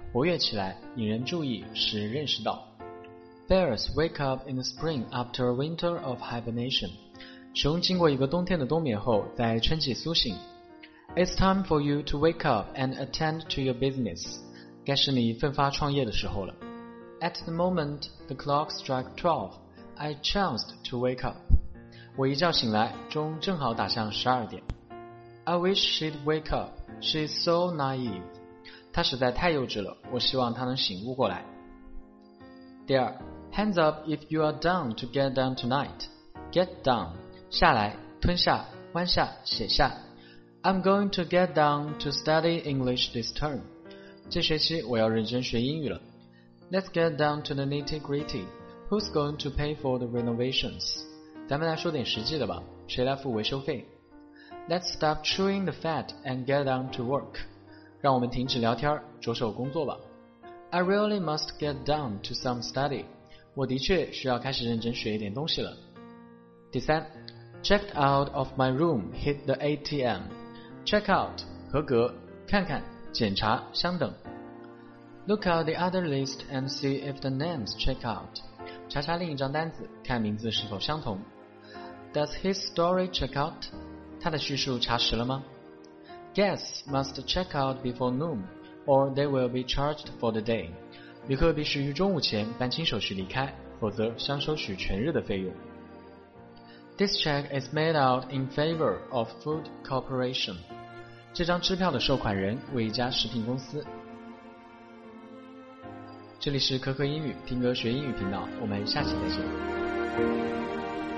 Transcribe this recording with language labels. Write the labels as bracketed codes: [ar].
[zh] 活跃起来，引人注意，使人认识到。 [en] Bears wake up in the spring after a winter of hibernation. [zh] 熊经过一个冬天的冬眠后，在春季苏醒。 [en] It's time for you to wake up and attend to your business. [zh] 该是你奋发创业的时候了。 [en] At the moment the clock struck 12, I chanced to wake up. [zh] 我一觉醒来，钟正好打向12点。 [en] I wish she'd wake up. She's so naive. [zh] 她实在太幼稚了，我希望她能醒悟过来。第二， [en] Hands up if you are down to get down tonight. Get down. [zh] 下来，吞下，弯下，写下。 [en] I'm going to get down to study English this term. [zh] 这学期我要认真学英语了。 [en] Let's get down to the nitty-gritty. Who's going to pay for the renovations? [zh] 咱们来说点实际的吧，谁来付维修费？ [en] Let's stop chewing the fat and get down to work. [zh] 让我们停止聊天，着手工作吧。 [en] I really must get down to some study. [zh] 我的确需要开始认真学一点东西了。第三， [en] Checked out of my room, hit the ATM. Check out, [zh] 合格，看看，检查，相等。 [en] Look out the other list and see if the names check out. [zh] 查查另一张单子，看名字是否相同。 [en] Does his story check out? [zh] 他的叙述查实了吗？ [en] Guests must check out before noon, or they will be charged for the day. [zh] 旅客必须于中午前办清手续离开，否则将收取全日的费用。 [en] This check is made out in favor of Food Corporation. [zh] 这张支票的收款人为一家食品公司。这里是可可英语听歌学英语频道，我们下期再见。